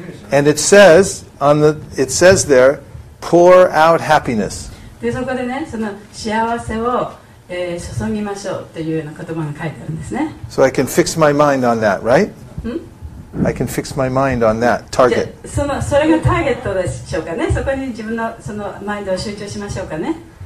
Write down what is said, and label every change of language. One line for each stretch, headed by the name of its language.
English: And it says on the, it says there, pour out happiness.
Japanese: でそこでね、その幸せを、注ぎましょうというような言葉が書いてあるんですね。
English: So I can fix my mind on that, right? I can fix my mind on that target.
Japanese: それがターゲットでしょうかね。そこに自分のそのマインドを集中しましょうかね。